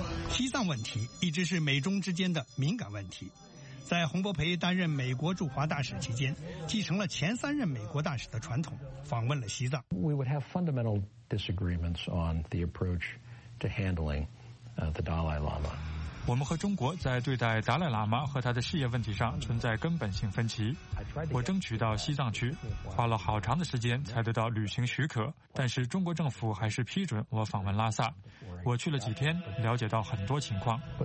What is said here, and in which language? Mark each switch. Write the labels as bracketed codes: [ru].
[zh] 西藏问题一直是美中之间的敏感问题。在洪博培担任美国驻华大使期间，继承了前三任美国大使的传统，访问了西藏。 [en] We would have fundamental disagreements on the approach to handling the Dalai Lama. [zh] 我们和中国在对待达赖喇嘛和他的事业问题上存在根本性分歧。我争取到西藏去，花了好长的时间才得到旅行许可，但是中国政府还是批准我访问拉萨。我去了几天，了解到很多情况。